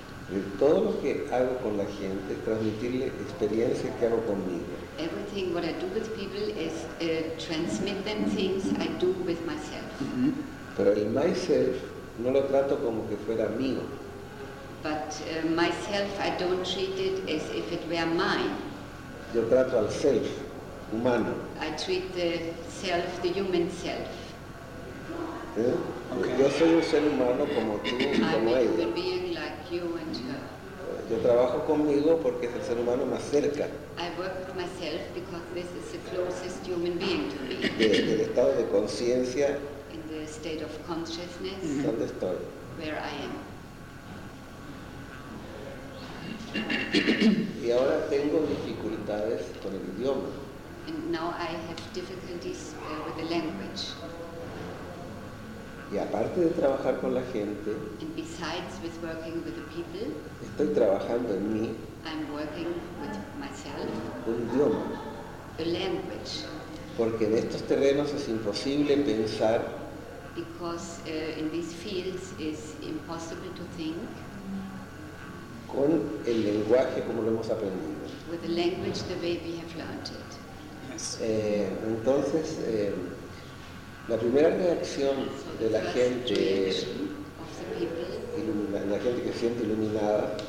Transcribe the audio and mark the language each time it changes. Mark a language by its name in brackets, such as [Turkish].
[Spanish] Y todo lo que hago con la gente, transmitirle experiencias que hago conmigo. [English] Everything what I do with people is transmit them things I do with myself. [Spanish] Pero el myself no lo trato como que fuera mío. [English] But myself, I don't treat it as if it were mine. [Spanish] Yo trato al self, humano. [English] I treat the self, the human self. ¿Eh? Okay. [Spanish] Yo soy un ser humano como tú y como ella. [English] I'm a human being like you and her. [Spanish] Yo trabajo conmigo porque es el ser humano más cerca. [English] I work with myself because this is the closest human being to me. [Spanish] Del estado de conciencia. [English] In the state of consciousness. [Spanish] ¿Dónde estoy? [English] Where I am. [Spanish] Y ahora tengo dificultades con el idioma. [English] And now I have difficulties with the language. [Spanish] Y aparte de trabajar con la gente, [English] and besides with working with the people, [Spanish] estoy trabajando en mí. [English] I'm working with myself. [Spanish] Un idioma. [English] A language. [Spanish] Porque en estos terrenos es imposible pensar. [English] Because in these fields it's impossible to think. [Spanish] Con el lenguaje como lo hemos aprendido. [English] With the language the way we have learned it. [Spanish] Entonces, la primera reacción de la gente, la gente que siente iluminada,